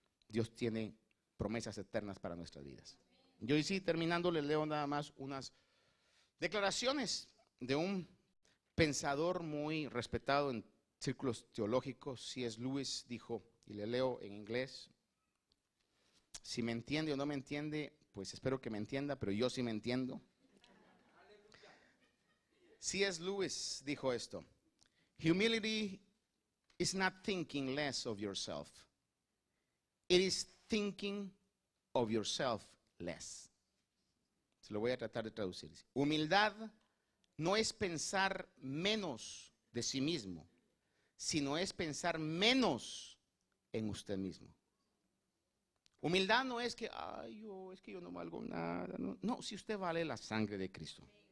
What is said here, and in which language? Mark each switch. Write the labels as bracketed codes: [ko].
[es] Dios tiene promesas eternas para nuestras vidas. Yo sí, terminando, les leo nada más unas declaraciones de un pensador muy respetado en círculos teológicos, C.S. Lewis, dijo, y le leo en inglés, si me entiende o no me entiende, pues espero que me entienda, pero yo sí me entiendo. C.S. Lewis dijo esto: [en] humility is not thinking less of yourself, it is thinking of yourself less. [es] Se lo voy a tratar de traducir. Humildad no es pensar menos de sí mismo, sino es pensar menos en usted mismo. Humildad no es que, ay, yo, es que yo no valgo nada. No, si usted vale la sangre de Cristo.